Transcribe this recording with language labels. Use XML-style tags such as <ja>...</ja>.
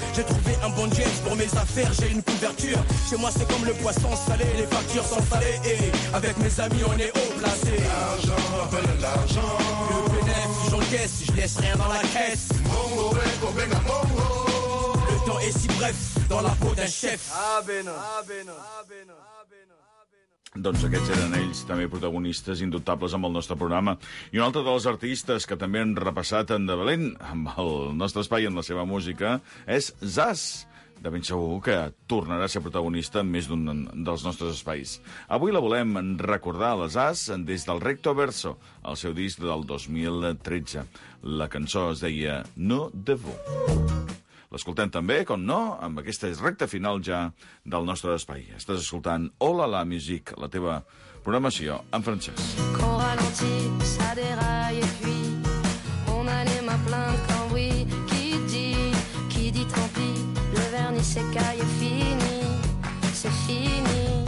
<fr>J'ai trouvé un bon jet pour mes affaires, j'ai une couverture. Chez moi c'est comme le poisson salé, les factures sont salées. Et avec mes amis on est haut placé. L'argent appelle l'argent. Le bénéf, j'encaisse, je laisse rien dans la caisse. Mongo est comme un mongo. Et si bref, dans la peau d'un chef. Ah, Beno. Ah, Beno. Ah, Beno.</fr> <ca>Doncs aquests eren ells també protagonistes indubtables amb el nostre programa. I un altre dels artistes que també han repassat en de valent amb el nostre espai i amb la seva música és Zaz, de ben segur que tornarà a ser protagonista en més d'un dels nostres espais. Avui la volem recordar a les Zaz des del Recto Verso, el seu disc del 2013. La cançó es deia No Devo. L'escoltem també, com no, amb aquesta recta final ja del nostre espai. Estàs escoltant Olala Music, la teva Programació en francès.</ca> <fr>Qu'on ralentit, ça déraille et puis on a les mains pleines de cambouis. Qui dit tant pis, le vernis s'écaille et fini, c'est fini.</fr>